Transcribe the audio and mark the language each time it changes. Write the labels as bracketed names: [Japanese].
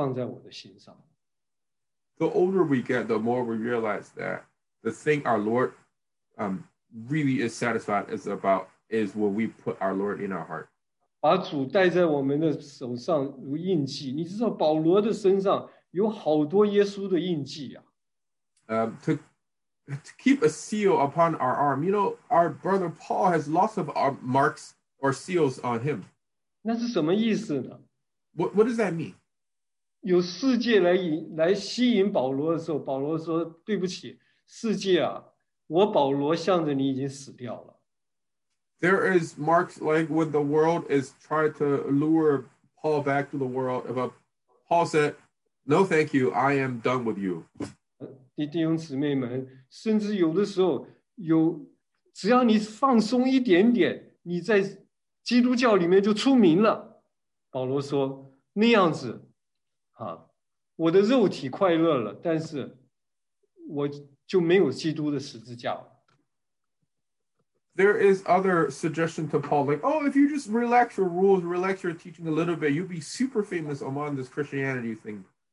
[Chinese] 最叫我满足的，也最能够满足主的，就是我把主放在我的心上。 [English] The older we get, the more we realize that the thing our Lord really is satisfied is about is when we put our Lord in our heart. [Chinese] 把主戴在我们的手上如印记，你知道保罗的身上有好多耶稣的印记啊。 [English] To keep a seal upon our arm, you know, our brother Paul has lots of our marks or seals on him. [Chinese] 那是什么意思呢? [English] What does that mean? [Chinese] 有世界来吸引保罗的时候，保罗说：“对不起，世界啊，我保罗向着你已经死掉了。” [English] There is Mark's language when the world is trying to lure Paul back to the world. But Paul said, no, thank you. I am done with you. [Chinese] 弟兄姊妹们, 甚至有的时候有, 只要你放松一点点, 你在基督教里面就出名了, 保罗说, 那样子, 啊, 我的肉体快乐了, 但是我就没有基督的十字架。 [English] There is other suggestion to Paul, like, oh, if you just relax your rules, relax your teaching a little bit, you'll be super famous among this Christianity thing.